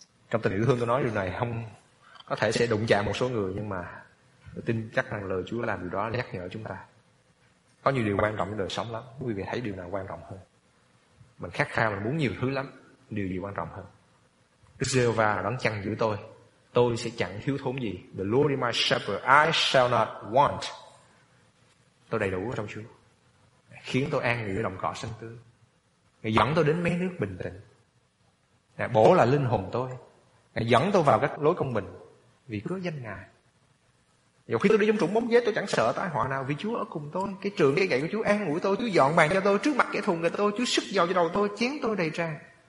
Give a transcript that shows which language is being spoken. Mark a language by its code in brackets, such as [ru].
[vi] Trong tình yêu thương tôi nói điều này, không có thể sẽ đụng chạm một số người, nhưng mà tôi tin chắc rằng lời Chúa làm điều đó nhắc nhở chúng ta. Có nhiều điều quan trọng trong đời sống lắm. Quý vị thấy điều nào quan trọng hơn? Mình khát khao, mình muốn nhiều thứ lắm. Điều gì quan trọng hơn? Đức Giê-hô-va đấng chăn giữ tôi, tôi sẽ chẳng thiếu thốn gì. [en] The Lord is my shepherd, I shall not want. [vi] Tôi đầy đủ trong Chúa. Khiến tôi an nghỉ ở đồng cỏ xanh tươi. Ngài dẫn tôi đến mé nước bình tĩnh. Ngài bổ lại linh hồn tôi. Ngài dẫn tôi vào các lối công bình vì cớ danh Ngài. Dù khi tôi đi trong trũng bóng vết, tôi chẳng sợ tai họa nào vì Chúa ở cùng tôi. Cái trường cây gậy của Chúa an ủi tôi. Chúa dọn bàn cho tôi. Trước mặt kẻ thù người tôi. Chúa sức dầu cho đầu tôi. Chén tôi đầy tràn.